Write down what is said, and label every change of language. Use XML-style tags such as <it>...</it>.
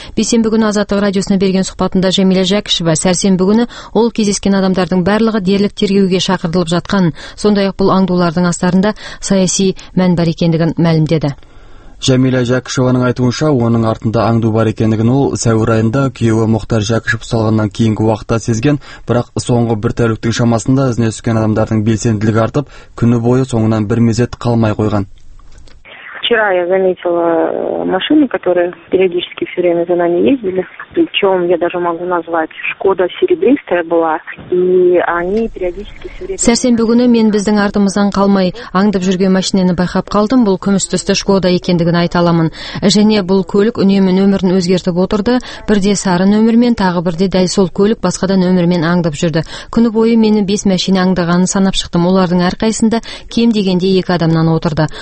<kk>Бейсенбі күні Азаттық радиосына берген сұхбатында Жәмилә Жәкішева сәрсенбі күні ол кездескен адамдардың барлығы дерлік тергеуге шақырылып жатқан, сондай-ақ бұл аңдулардың астарында саяси мән бар екендігін мәлімдеді. Жәмилә Жәкішеваның айтуынша, оның артында аңду бар екендігін ол сәуір айында күйеуі Мұхтар Жәкішев ұсталғаннан кейінгі уақытта сезген, бірақ соңғы бір тәуліктің шамасында ізіне түскен адамдардың белсенділігі артып, күні бойы соңынан бір мезет қалмай қойған.</kk> <ru>Вчера я заметила машины, которые периодически все время за нами ездили. Причем я даже могу назвать, Шкода серебристая была, и они периодически все время...</ru> <kk>Сәрсенбі күні мен біздің артымыздан қалмай аңдып жүрген машинаны байқап қалдым, бұл күміс түсті Шкода екендігін айталамын. Және бұл көлік үнемі нөмірін өзгертіп отырды, бірде сары нөмірмен, тағы бірде дәл сол көлік басқада нөмірмен аңдып жүрді. Күні бойы мені 5 машина аңдығанын санап шықтым, олардың әрқайсында кем дегенде 2 адамнан отырды.</kk>